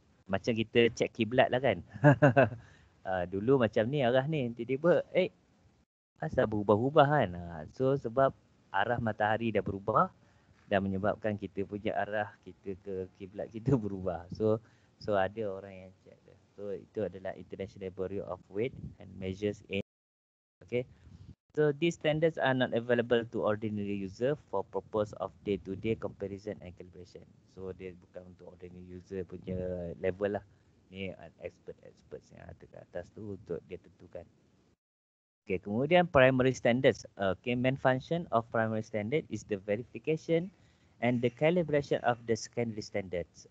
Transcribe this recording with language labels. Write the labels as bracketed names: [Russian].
[Malay] Macam kita check kiblat lah kan. Dulu macam ni arah ni, tiba-tiba asal berubah-ubah kan. So sebab arah matahari dah berubah dan menyebabkan kita punya arah kita ke kiblat kita berubah. So ada orang yang check dia. So itu adalah International Bureau of Weight and Measures in. Okay. [English] So these standards are not available to ordinary user for purpose of day-to-day comparison and calibration. [Malay] So dia bukan untuk [English] ordinary user [Malay] punya level lah. Ni expert-expert yang ada kat atas tu untuk dia tentukan. Okay, kemudian primary standards. [English] Okay, main function of primary standard is the verification and the calibration of the secondary standards.